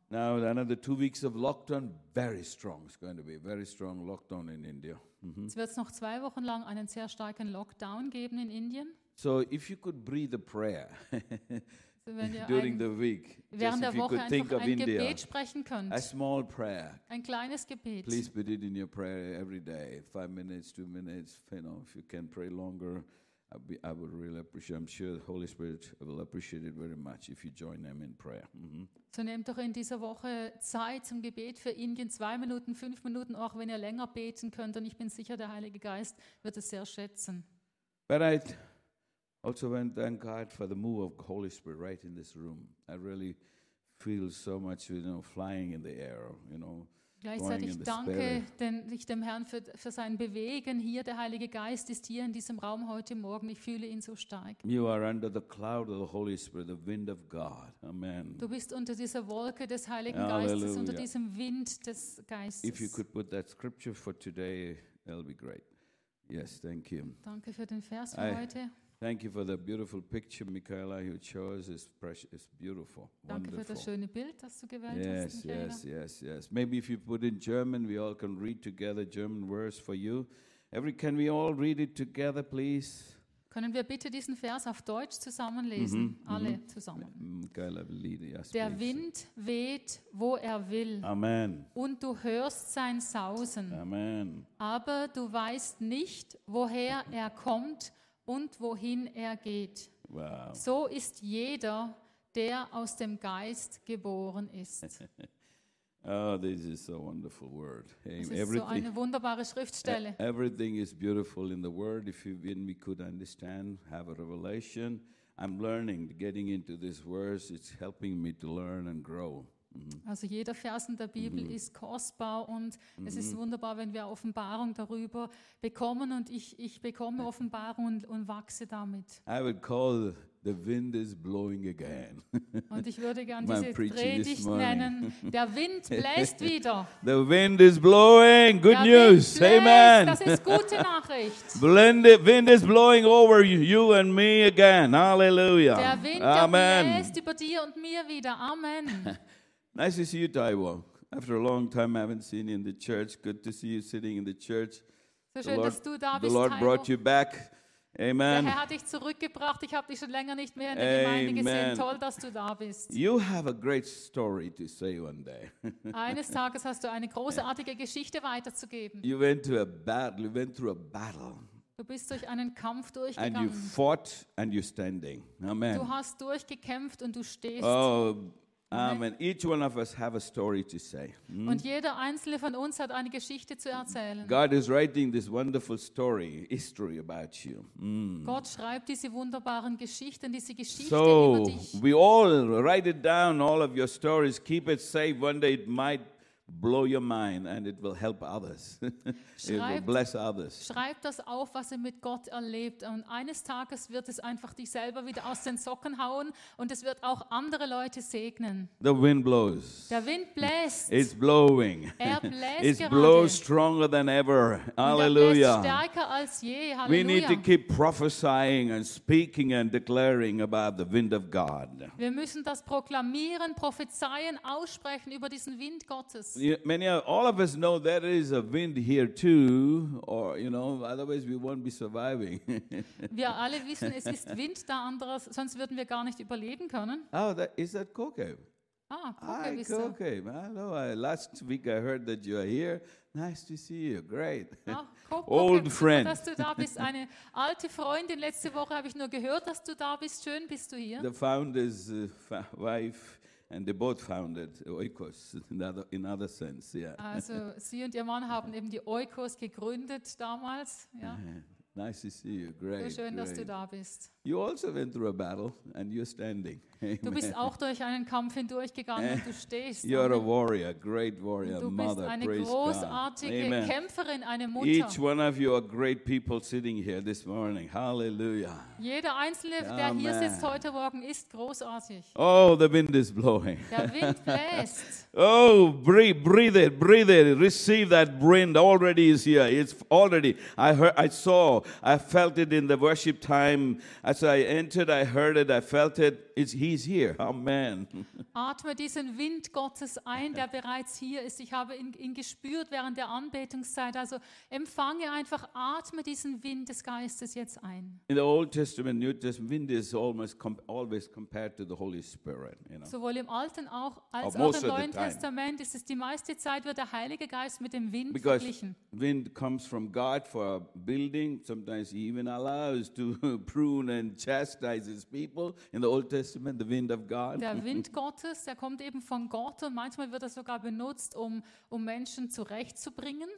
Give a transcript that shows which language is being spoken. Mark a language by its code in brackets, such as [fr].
[en] Now, another 2 weeks of lockdown, very strong. It's going to be a very strong lockdown in India. [de] Es wird noch 2 Wochen lang einen sehr starken Lockdown geben in Indien. [en] So, if you could breathe a prayer during the week, [de] während der Woche einfach ein Gebet sprechen könnt, [en] a small prayer, [de] ein kleines Gebet. [en] Please put it in your prayer every day, 5 minutes, 2 minutes. You know, if you can pray longer, I would really appreciate. I'm sure the Holy Spirit will appreciate it very much if you join them in prayer. [de] So nehmt doch in dieser Woche Zeit zum Gebet für Indien, 2 Minuten, 5 Minuten, auch wenn ihr länger beten könnt. Und ich bin sicher, der Heilige Geist wird es sehr schätzen. [en] But I also want to thank God for the move of Holy Spirit right in this room. I really feel so much, you know, flying in the air, you know. [de] Gleichzeitig danke ich dem Herrn für sein Bewegen hier. Der Heilige Geist ist hier in diesem Raum heute Morgen. Ich fühle ihn so stark. [en] You are under the cloud of the Holy Spirit, the wind of God. Amen. [de] Du bist unter dieser Wolke des Heiligen Geistes, Halleluja. Unter diesem Wind des Geistes. [en] If you could put that scripture for today, that'll be great. Yes, thank you. [de] Danke für den Vers für heute. [en] Thank you for the beautiful picture, Michaela, you chose. It's precious. It's beautiful. [de] Danke [en] wonderful. [de] Für das schöne Bild, das du gewählt [en] yes, [de] hast, [en] yes, yes, yes. Maybe if you put in German, we all can read together German words for you. Can we all read it together, please? [de] Können wir bitte diesen Vers auf Deutsch zusammenlesen? Mm-hmm. Alle zusammen. [en] Michaela, lead it, yes, [de] der [en] please. [de] Wind weht, wo will. Amen. Und du hörst sein Sausen. Amen. Aber du weißt nicht, woher kommt, und wohin geht. [en] Wow. [de] So ist jeder, der aus dem Geist geboren ist. [en] Oh, this is a wonderful word. [de] Das ist [en] everything, [de] so eine wunderbare Schriftstelle. [en] Everything is beautiful in the word. If we could understand, have a revelation. I'm learning, getting into this verse, it's helping me to learn and grow. [de] Also jeder Vers in der Bibel ist kostbar und es ist wunderbar, wenn wir Offenbarung darüber bekommen und ich bekomme Offenbarung und wachse damit. [en] I would call the wind is blowing again. [de] Und ich würde gerne diese Predigt nennen. Der Wind bläst wieder. [en] The wind is blowing. Good [de] der [en] news. [de] Wind bläst. Amen. Das ist gute Nachricht. [en] Wind is blowing over you and me again. Hallelujah. [de] Der Wind Amen. Der bläst über dir und mir wieder. Amen. [en] Nice to see you, Taiwo. After a long time, I haven't seen you in the church. Good to see you sitting in the church. [de] So schön, dass du da bist, [en] the Lord [de] Taiwo. [en] Brought you back. Amen. [de] Der Herr hat dich zurückgebracht. Ich habe dich schon länger nicht mehr in der Amen. Gemeinde gesehen. Toll, dass du da bist. [en] You have a great story to say one day. [de] Eines Tages hast du eine großartige Geschichte weiterzugeben. [en] You went through a battle. [de] Du bist durch einen Kampf durchgegangen. [en] And you fought and you're standing. Amen. [de] Du hast durchgekämpft und du stehst. [en] Oh, amen. Each one of us have a story to say. Hm? [de] Und jeder einzelne von uns hat eine Geschichte zu erzählen. [en] God is writing this wonderful story, history about you. Hm. [de] Gott schreibt diese wunderbaren Geschichten, diese Geschichte [en] so [de] über dich. [en] So, we all write it down, all of your stories. Keep it safe. One day it might blow your mind and it will help others. [de] Schreibt, [en] it will bless others. [de] Schreibt das auf, was ihr mit Gott erlebt. Und eines Tages wird es einfach dich selber wieder aus den Socken hauen und es wird auch andere Leute segnen. [en] The wind blows. [de] Der Wind bläst. [en] It's blowing. [de] Er bläst [en] It's [de] gerade. [en] Blows stronger than ever. Hallelujah. [de] Er bläst stärker als je. Halleluja. [en] We need to keep prophesying and speaking and declaring about the wind of God. [de] Wir müssen das proklamieren, prophezeien, aussprechen über diesen Wind Gottes. [en] Many, all of us know that there is a wind here too, or you know, otherwise we won't be surviving. [de] Wir alle wissen, es ist Wind da, anderes, sonst würden wir gar nicht überleben können. [en] Oh, that, is that Kokeb? Ah, Kokeb, hi, Kokeb. Hello. Last week I heard that you are here. Nice to see you. Great. Old friend. [de] Dass du da bist, eine alte Freundin. Letzte Woche habe ich nur gehört, dass du da bist. Schön, bist du hier. [en] The founder's wife. And they both founded Oikos in other sense, yeah. [de] Also, Sie und Ihr Mann haben eben die Oikos gegründet damals, ja. [en] Nice to see you. Great. [de] So schön, [en] great. [de] Dass du da bist. [en] You also went through a battle and you're standing. Amen. [de] Du bist auch durch einen Kampf hindurchgegangen und du stehst. [en] You're a warrior, great warrior, [de] du [en] mother. [de] Du bist eine großartige [en] God. [de] Kämpferin, eine Mutter. [en] Each one of you are great people sitting here this morning. Hallelujah. [de] Jeder einzelne, Amen. Der hier sitzt heute Morgen, ist großartig. [en] Oh, the wind is blowing. [de] Der Wind bläst. [en] Oh, breathe it. Receive that wind. Already is here. It's already. I heard. I saw. I felt it in the worship time. As I entered, I heard it, I felt it. He's here. Amen. [de] Atme diesen Wind Gottes ein, der bereits hier ist. Ich habe ihn gespürt während der Anbetungszeit. Also empfange einfach, atme diesen Wind des Geistes jetzt ein. [en] In the Old Testament, New Testament, wind is almost always compared to the Holy Spirit. You know? [de] Sowohl im Alten auch als auch im Neuen Testament ist es die meiste Zeit, wird der Heilige Geist mit dem Wind [en] Because [de] verglichen. [en] Because wind comes from God for building. Sometimes he even allows to prune and chastise his people in the Old Testament. The wind of God. [de] Der Wind Gottes, der kommt eben von Gott und manchmal wird er sogar benutzt, um Menschen zurechtzubringen.